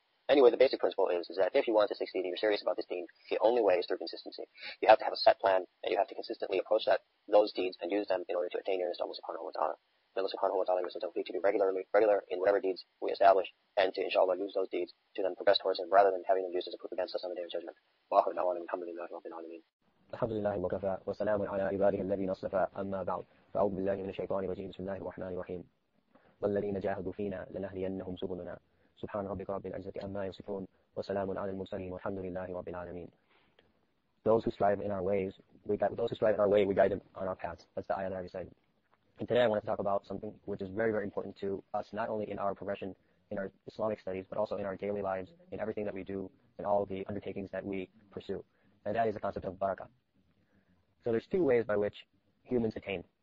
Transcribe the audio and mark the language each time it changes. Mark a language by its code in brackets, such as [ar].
[en] Anyway, the basic principle is that if you want to succeed and you're serious about this deen, the only way is through consistency. You have to have a set plan, and you have to consistently approach those deeds and use them in order to attain your nearness to Allah subhanahu wa ta'ala. May Allah subhanahu wa ta'ala give us the tawfiq to be regular in whatever deeds we establish, and to inshallah use those deeds to then progress towards them, rather than having them used as a proof against us on the day of judgment. [ar] وَآخِرُ دَعْوَانَا الْحَمْدُ لِلَّهِ رَبِّ الْعَالَمِينَ الحمد لله وكفى وسلام على عباده الذين اصطفى أما بعد فأعوذ بالله من الشيطان الرجيم بسم الله الرحمن الرحيم والذين جاهدوا فينا لنهدينهم سبلنا سبحان ربك رب العزة عما يصفون وسلام على المرسلين والحمد لله رب العالمين. [en] Those who strive in our ways, we guide them on our paths. That's the ayah that I recited. And today I want to talk about something which is very, very important to us, not only in our profession, in our Islamic studies, but also in our daily lives, in everything that we do, in all the undertakings that we pursue. And that is the concept of barakah. So there's two ways by which humans attain.